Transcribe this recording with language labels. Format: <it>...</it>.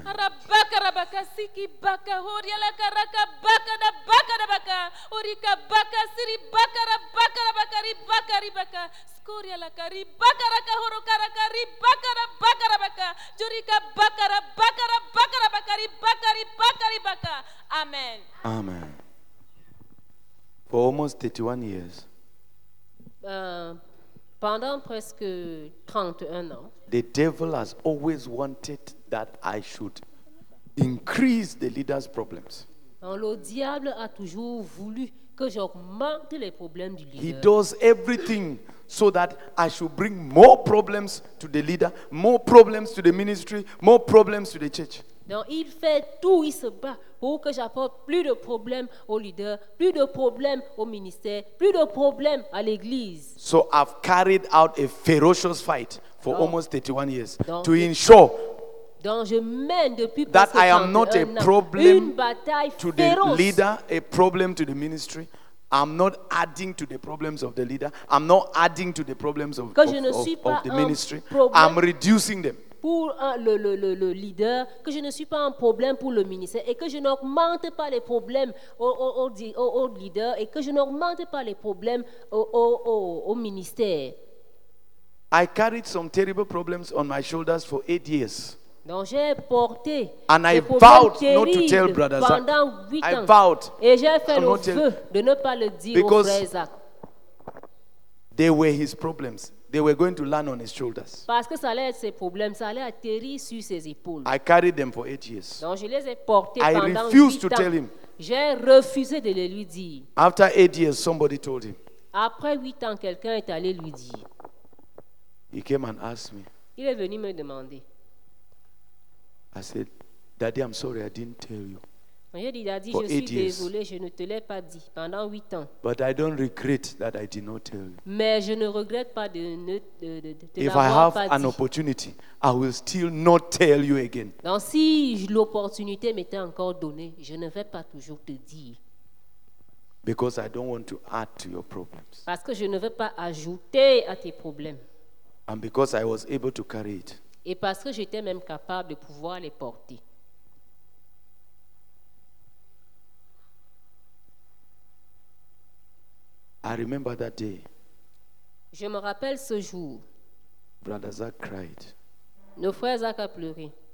<en>Rabaka rabaka siki baka horia la karaka baka da baka da baka urika baka siri baka rabaka rabaka ribaka ribaka skuria la kari baka raka horo karaka ribaka rabaka rabaka jurika baka rabaka rabaka rabaka ribaka ribaka ribaka. Amen. Amen. For almost 31 years.</en> <fr>Pendant presque 31 ans.</fr> <en>The devil has always wanted that I should increase the leader's problems.</en> <fr>Le diable a toujours voulu que j'augmente les problèmes du leader.</fr> <en>He does everything so that I should bring more problems to the leader, more problems to the ministry, more problems to the church.</en> <fr>Donc il fait tout, il se bat pour que j'apporte plus de problèmes au leader, plus de problèmes au ministère, plus de problèmes à l'église.</fr> <en>So I've carried out a ferocious fight for almost 31 years to ensure</en> <fr>donc je mène depuis</fr> <en>that I am not a problem to the leader, a problem to the ministry. I'm not adding to the problems of the leader. I'm not adding to the problems of the ministry. I'm reducing them.</en> <fr>Pour le leader, que je ne suis pas un problème pour le ministère et que je n'augmente pas les problèmes au leader et que je n'augmente pas les problèmes au ministère.</fr> <en>I carried some terrible problems on my shoulders for 8 years.</en> <fr>Donc j'ai porté</fr> <en>and I vowed not to tell Brother Zach. I vowed</en> <fr>et j'ai fait le vœu de ne pas le dire</fr> <en>because</en> <fr>au frère Zach.</fr> <en>They were his problems. They were going to land on his shoulders.</en> <fr>Parce que ça allait être ses problèmes, ça allait atterrir sur ses épaules.</fr> <en>I carried them for 8 years.</en> <fr>Donc je les ai portés</fr> <en>I refused to tell him.</en> <fr>J'ai refusé de le lui dire.</fr> <en>After 8 years, somebody told him.</en> <fr>Après 8 ans, quelqu'un est allé lui dire.</fr> <en>He came and asked me.</en> <fr>Il est venu me demander.</fr> <en>I said, Daddy, I'm sorry, I didn't tell you.</en> <fr>J'ai dit, Daddy, for je suis years. Désolé, je ne te l'ai pas dit pendant 8 ans.</fr> <en>But I don't regret that I did not tell you.</en> <fr>Mais je ne regrette pas de te</fr> <en>if I have an opportunity, I will still not tell you again.</en> <fr>Donc si l'opportunité m'était encore donnée, je ne vais pas toujours te dire.</fr> <en>Because I don't want to add to your problems.</en> <fr>Parce que je ne veux pas ajouter à tes problèmes.</fr> <en>And because I was able to carry it.</en> <fr>Et parce que j'étais même capable de pouvoir les porter.</fr> <en>I remember that day.</en> <fr>Je me rappelle ce jour.</fr> <en>Brother Zach cried.</en> <fr>Nos frères Zach a pleuré.</fr>